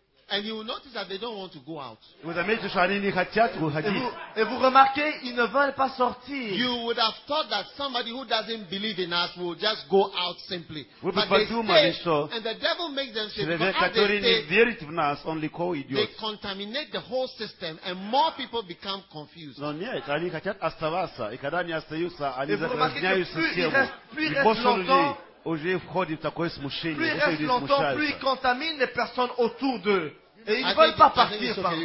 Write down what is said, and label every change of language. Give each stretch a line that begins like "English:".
English: And you will notice that they don't want to go out.
French: Et vous remarquez, ils ne veulent pas sortir.
English: You would have thought that somebody who doesn't believe in us will just go out simply. But they stay, and the devil makes them stay. They contaminate the whole system, and more people become confused.
French: Non,
Russian: нет, они хотят оставаться, и когда они остаются, они разгоняют систему.
French: Plus ils contaminent les personnes autour d'eux. Et ils ne veulent pas partir.